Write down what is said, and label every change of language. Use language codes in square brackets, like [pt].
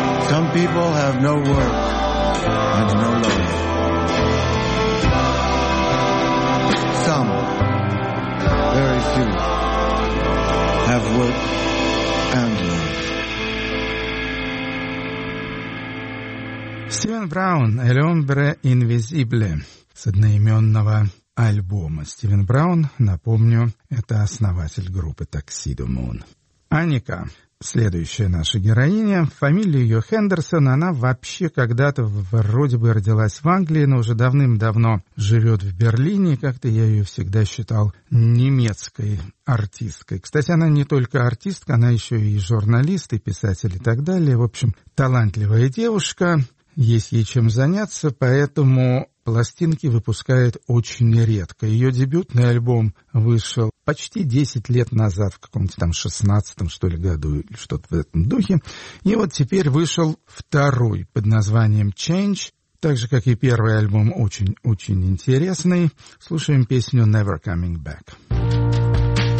[en] Some people have no work and no love. Some, very few, have work and love. [ru] Стивен Браун, «El hombre invisible» с одноименного альбома. Стивен Браун, напомню, это основатель группы Tuxedo Moon. Аника, следующая наша героиня, фамилия ее Хендерсон, она вообще когда-то вроде бы родилась в Англии, но уже давным-давно живет в Берлине, и как-то я ее всегда считал немецкой артисткой. Кстати, она не только артистка, она еще и журналист, и писатель, и так далее. В общем, талантливая девушка. Есть ей чем заняться, поэтому пластинки выпускает очень редко. Ее дебютный альбом вышел почти 10 лет назад, в каком-то там 16-м, что ли, году, или что-то в этом духе. И вот теперь вышел второй под названием «Change», так же, как и первый альбом, очень-очень интересный. Слушаем песню «Never Coming Back».